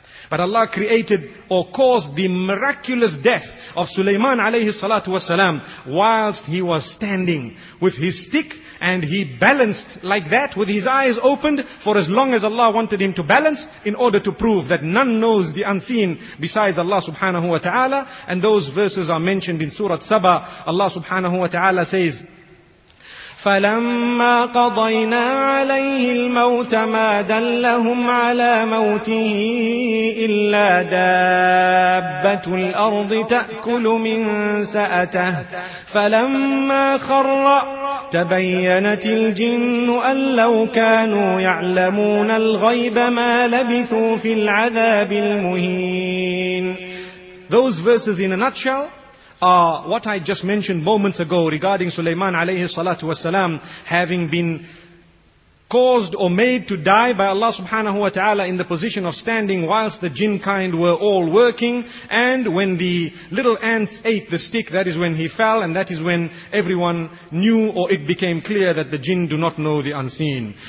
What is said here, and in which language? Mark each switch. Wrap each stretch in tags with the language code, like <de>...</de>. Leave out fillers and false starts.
<en>But Allah created or caused the miraculous death of Sulaiman alayhi salatu wasalam whilst he was standing with his stick, and he balanced like that with his eyes opened for as long as Allah wanted him to balance, in order to prove that none knows the unseen besides Allah subhanahu wa ta'ala. And those verses are mentioned in Surah Saba. Allah subhanahu wa ta'ala says,</en> <ar>فَلَمَّا قَضَيْنَا عَلَيْهِ الْمَوْتَ مَا دَلَّهُمْ عَلَى مَوْتِهِ إِلَّا دَابَّةُ الْأَرْضِ تَأْكُلُ مِنْ سَأَتَهُ فَلَمَّا خَرَّ تَبَيَّنَتِ الْجِنُّ أَنْ لَوْ كَانُوا يَعْلَمُونَ الْغَيْبَ مَا لَبِثُوا فِي الْعَذَابِ الْمُهِينَ.</ar> <en>Those verses in a nutshell are what I just mentioned moments ago regarding Sulaiman alayhi salatu wasalam having been caused or made to die by Allah subhanahu wa ta'ala in the position of standing whilst the jinn kind were all working. And when the little ants ate the stick, that is when he fell, and that is when everyone knew, or it became clear, that the jinn do not know the unseen.</en>